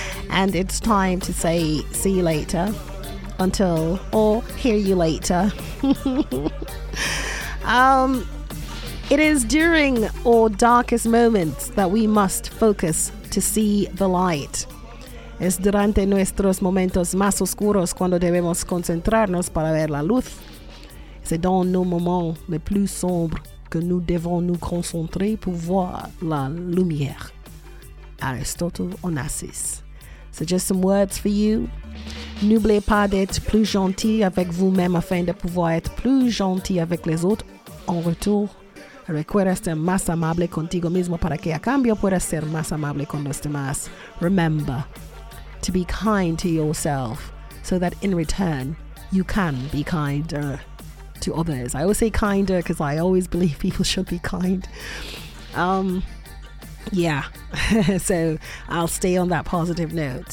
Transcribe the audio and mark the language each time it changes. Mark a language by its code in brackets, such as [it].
[en] And it's time to say see you later. Until or hear you later. It is during our darkest moments that we must focus to see the light. [es] Es durante nuestros momentos más oscuros cuando debemos concentrarnos para ver la luz. [fr] C'est dans nos moments les plus sombres que nous devons nous concentrer pour voir la lumière. [en] Aristotle Onassis. So just some words for you. [fr] N'oubliez pas d'être plus gentil avec vous-même afin de pouvoir être plus gentil avec les autres en retour. [es] Recuerda ser más amable contigo mismo para que a cambio puedas ser más amable con los demás. [en] Remember to be kind to yourself so that in return you can be kinder to others. I always say kinder because I always believe people should be kind. Yeah, so I'll stay on that positive note.